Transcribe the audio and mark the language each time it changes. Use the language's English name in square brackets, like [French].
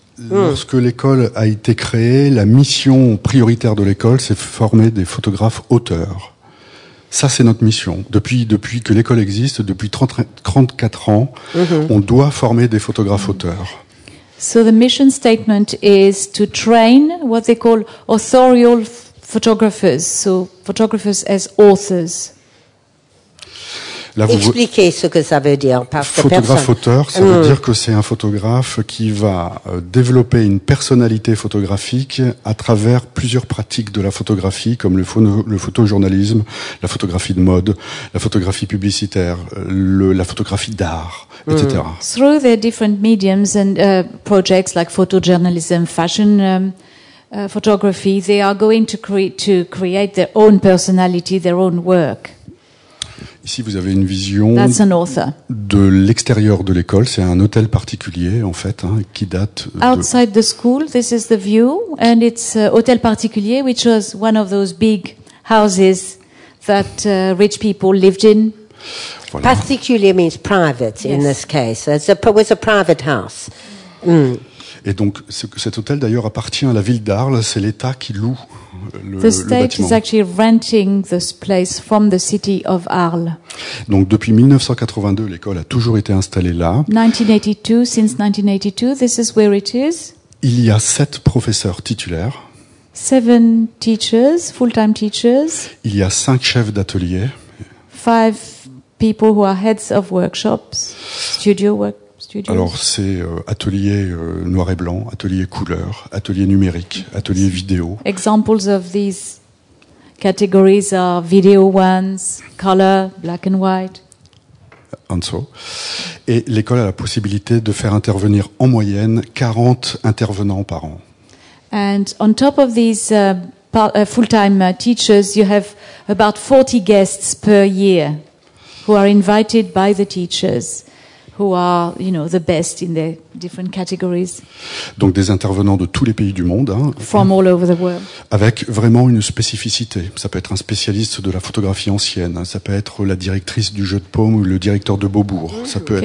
[French] Lorsque l'école a été créée, la mission prioritaire de l'école, c'est former des photographes auteurs. Ça, c'est notre mission. Depuis que l'école existe, depuis 34 ans, on doit former des photographes auteurs. [English] So the mission statement is to train what they call authorial photographers, so photographers as authors. [French] Là, expliquez ce que ça veut dire. Photographe auteur, ça veut dire que c'est un photographe qui va développer une personnalité photographique à travers plusieurs pratiques de la photographie, comme le photojournalisme, la photographie de mode, la photographie publicitaire, la photographie d'art, etc. [English] Through their different mediums and projects like photojournalism, fashion photography, they are going to create their own personality, their own work. [French] Ici, vous avez une vision de l'extérieur de l'école. C'est un hôtel particulier, en fait, hein, qui date. [English] Outside the school, this is the view, and it's a hôtel particulier, which was one of those big houses that rich people lived in. Voilà. Particulier means private in this case. It was a private house. Mm. [French] Et donc, cet hôtel, d'ailleurs, appartient à la ville d'Arles. C'est l'État qui loue. [English] The state is actually renting this place from the city of Arles. [French] Donc depuis 1982, l'école a toujours été installée là. [English] 1982, since 1982, this is where it is. [French] Il y a 7 professeurs titulaires. [English] 7 teachers, full-time teachers. [French] Il y a 5 chefs d'atelier. [English] 5 people who are heads of workshops, studios. [French] Alors c'est atelier noir et blanc, atelier couleur, atelier numérique, atelier vidéo. [English] Examples of these categories are video ones, color, black and white. And so. [French] Et l'école a la possibilité de faire intervenir en moyenne 40 intervenants par an. [English] And on top of these full-time teachers, you have about 40 guests per year who are invited by the teachers. Who are, you know, the best in their different categories. [French] Donc des intervenants de tous les pays du monde, hein, [English] from all over the world. [French] Avec vraiment une spécificité. Ça peut être un spécialiste de la photographie ancienne, hein, ça peut être la directrice du jeu de paume ou le directeur de Beaubourg, ça peut être,